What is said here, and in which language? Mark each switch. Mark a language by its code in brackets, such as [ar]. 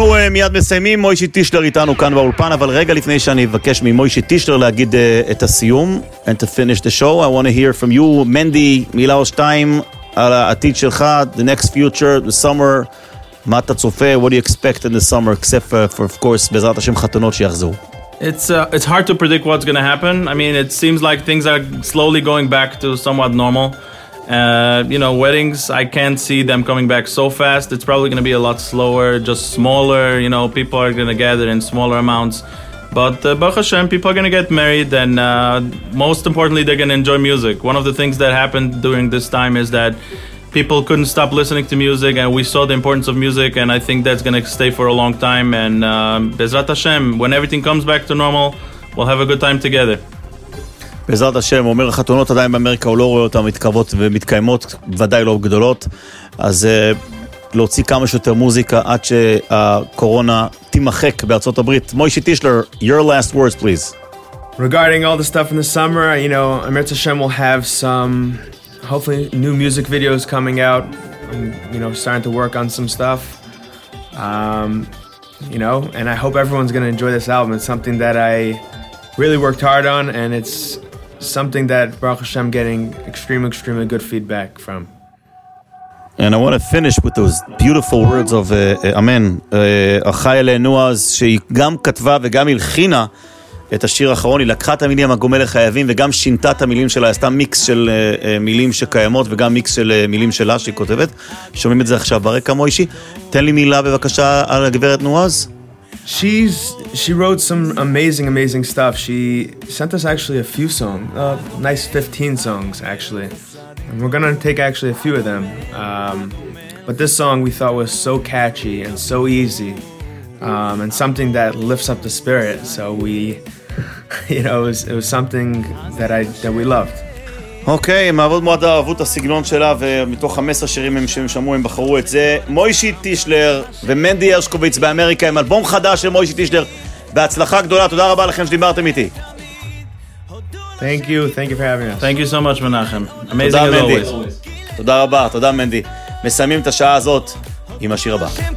[he] מיד מסיימים, מוישי טישלר איתנו כאן באולפן, אבל רגע לפני שאני אבקש ממוישי טישלר להגיד את הסיום, [en] and to finish the show, I want to hear from you, [he] מנדי, מילה או שתיים, על העתיד שלך, [en] the next future, the summer, [he] מה אתה צופה, [en] what do you expect in the summer, except for of course, [he] בעזרת השם חתונות שיחזרו. [en] It's hard to predict what's going to happen. I mean, it seems like things are slowly going back to somewhat normal. You know, weddings, I can't see them coming back so fast. It's probably going to be a lot slower, just smaller, you know, people are going to gather in smaller amounts. But Baruch Hashem, people are going to get married, and most importantly, they're going to enjoy music. One of the things that happened during this time is that people couldn't stop listening to music, and we saw the importance of music, and I think that's going to stay for a long time. And Bezrat Hashem, when everything comes back to normal, we'll have a good time together. [he] בעזרת השם, אומר החתונות עדיין באמריקה, הוא לא רואה אותן מתקרבות ומתקיימות, ודאי לא גדולות, אז להוציא כמה שיותר מוזיקה עד שהקורונה תימחק בארצות הברית. מוישי טישלר, [en] your last words, please. Regarding all the stuff in the summer, you know, Amirat Hashem will have some, hopefully, new music videos coming out, and, you know, starting to work on some stuff. You know, and I hope everyone's going to enjoy this album. It's something that I really worked hard on, and it's something that Baruch Hashem getting extremely good feedback from. And I want to finish with those beautiful words of amen. [he] Achai Eleinu Az, שהיא גם כתבה וגם הלחינה את השיר האחרון, היא לקחה את המילים הגומל לחייבים וגם שינתה את המילים שלה, עשתה מיקס של מילים שקיימות וגם מיקס של מילים שלה שהיא כותבת. שומעים את זה עכשיו ברקע מוישי. תן לי מילה בבקשה על הגברת נועז. [en] She wrote some amazing stuff. She sent us actually a few songs, nice 15 songs actually. And we're going to take actually a few of them. But this song we thought was so catchy and so easy. And something that lifts up the spirit. So we, you know, it was something that we loved. [he] אוקיי, הם אהבות מועד אהבו את הסגנון שלה, ומתוך 15 שירים שהם שמעו, הם בחרו את זה. מוישי טישלר ומנדי הרשקוביץ באמריקה, עם אלבום חדש של מוישי טישלר. בהצלחה גדולה, תודה רבה לכם שדיברתם איתי. [en] Thank you for having us. Thank you so much, Menachem. Amazing as always. Tada, Mendy. [he] מסיימים את השעה הזאת עם השיר הבא.